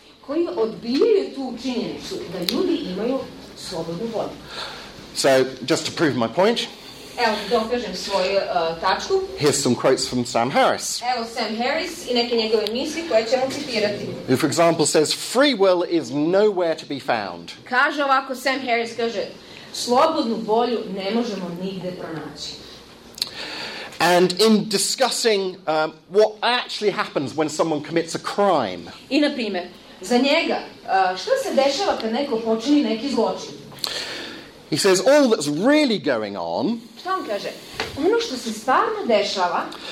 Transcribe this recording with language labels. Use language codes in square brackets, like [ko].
[sr] Koji odbijaju tu činjenicu da ljudi imaju slobodnu volju. [en] So, just to prove my point. [sr] Evo, dokažem svoju tačku. [en] Here's some quotes from Sam Harris. [sr] Evo, Sam Harris I neke njegove misli koje ćemo citirati. [en] Who, for example, says, free will is nowhere to be found. [sr] Kaže ovako, Sam Harris kaže, slobodnu volju ne možemo nigde pronaći. [en] And in discussing what actually happens when someone commits a crime. [sr] I na primjer, za njega, što se dešava kad neko počini neki zločin? [en] He says all that's really going on. [sr] Šta on kaže? Ono što se stvarno dešava